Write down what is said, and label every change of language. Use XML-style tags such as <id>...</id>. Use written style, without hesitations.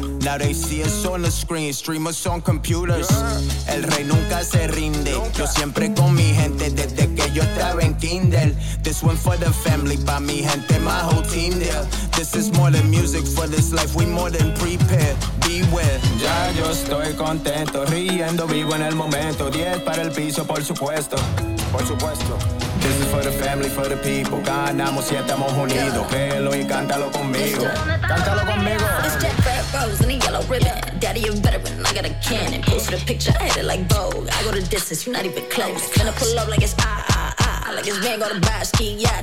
<en>Now they see us on the screen, stream us on computers.</en> <es>El rey nunca se rinde. Yo siempre con mi gente desde que yo estaba en Kindle.</es> <en>This one for the family,</en> <es>pa' mi gente,</es> <en>my whole team there. This is more than music for this life, we more than prepared.</en> <es>Ya yo estoy contento, riendo, vivo en el momento. 10 para el piso, por supuesto. Por supuesto.</es> <en>This is for the family, for the people.</en> <es>Ganamos si estamos unidos. Velo y cántalo conmigo. Cántalo conmigo.</es> <en>It's Jack Red Rose and a yellow ribbon. Daddy a veteran, I got a cannon. Posted a picture, I hit it like Vogue. I go the distance, you're not even close. Gonna pull up like it's like it's Van Gogh to buy a ski, yeah.</en>